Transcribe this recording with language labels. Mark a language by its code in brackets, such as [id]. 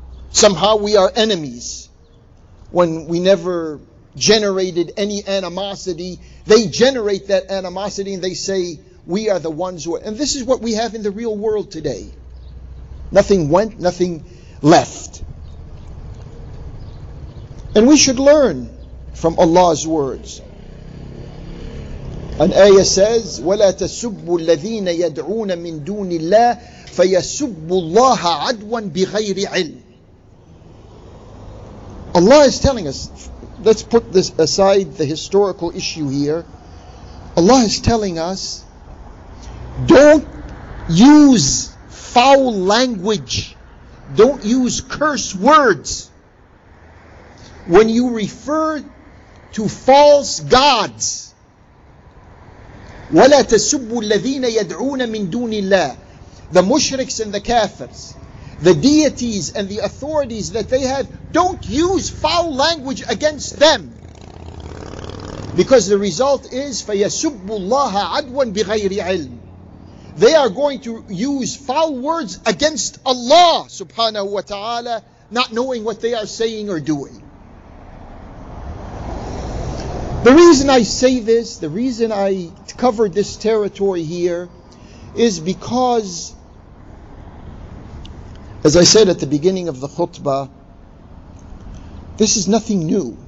[en] Somehow we are enemies. When we never generated any animosity, they generate that animosity and they say, we are the ones who are. And this is what we have in the real world today. Nothing went, nothing left. And we should learn from Allah's words. An ayah says, [ar] وَلَا تَسُبُّوا الَّذِينَ يَدْعُونَ مِن دُونِ اللَّهِ فَيَسُبُّوا اللَّهَ عَدْوًا بِغَيْرِ عِلْمٍ. [en] Allah is telling us, let's put this aside, the historical issue here. Allah is telling us, don't use foul language. Don't use curse words when you refer to false gods. [ar] وَلَا تَسُبُّوا الَّذِينَ يَدْعُونَ مِن دُونِ اللَّهِ. [en] The mushriks and the kafirs, the deities and the authorities that they have, don't use foul language against them. Because the result is, [ar] فَيَسُبُّ اللَّهَ عَدْوًا بِغَيْرِ عِلْمٍ. [en] They are going to use foul words against Allah subhanahu wa ta'ala, not knowing what they are saying or doing. The reason I say this, the reason I covered this territory here, is because, as I said at the beginning of the khutbah, this is nothing new.